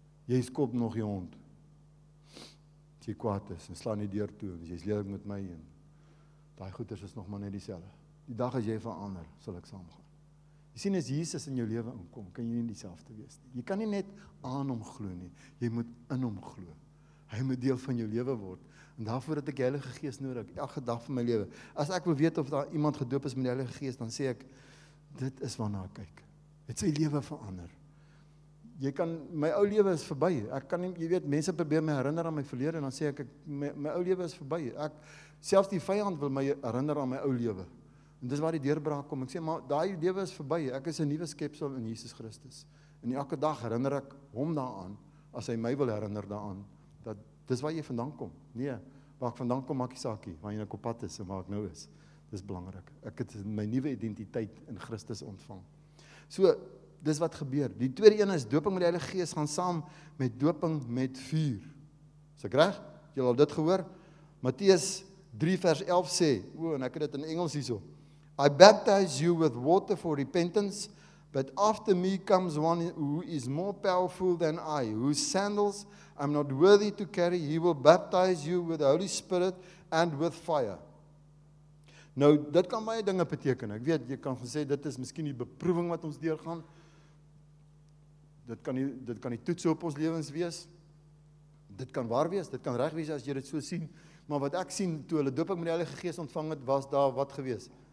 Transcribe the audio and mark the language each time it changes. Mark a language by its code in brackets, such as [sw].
[af] Jy skop nog jou hond, as jy kwaad is, en slaan die deur toe, en jy is lelik met my, en die goeders is nog maar net dieselfde. Die dag as jy verander, sal ek saamgaan. Jy sien, as Jesus in jou leven inkom, kan jy nie dieselfde wees nie. Jy kan nie net aan hom glo nie, jy moet in hom glo. Hy moet deel van jou leven word, en daarvoor het ek Heilige Gees nodig, elke dag van my leven. As ek wil weet of daar iemand gedoop is met Heilige Gees, dan sê ek, dit is waarna ek kyk. Het sy leven verander. Jy kan, my ou lewe is verby, ek kan nie, jy weet, mense probeer my herinner aan my verlede, en dan sê ek, my ou lewe is verby, ek, selfs die vijand wil my herinner aan my ou lewe, en dis waar die deurbraak kom, ek sê, maar die lewe is verby, ek is 'n nuwe skepsel in Jesus Christus, en elke dag herinner ek hom daaraan, as hy my wil herinner daaraan, dat dis waar jy vandaan kom, nee, waar ek vandaan kom, maak jy saakie, waar jy nou op pad is, en waar ek nou is, dis belangrik, ek het my nuwe identiteit in Christus ontvang, so, dis wat gebeur. Die tweede ene is doping met die Heilige Gees, gaan saam met doping met vuur. Is ek reg? Jy al dit gehoor? Matteus 3 vers 11 sê, en ek het dit in Engels hierso, [en] I baptize you with water for repentance, but after me comes one who is more powerful than I, whose sandals I'm not worthy to carry, he will baptize you with the Holy Spirit and with fire. [af] Nou, dit kan baie dinge beteken. Ek weet, jy kan gesê, dit is miskien die beproeving wat ons deurgaan, dit kan die toets op ons lewens wees, dit kan waar wees, dit kan reg wees as jy dit so sien, maar wat ek sien, toe hulle doping met die Heilige Gees ontvang het, was daar wat gewees?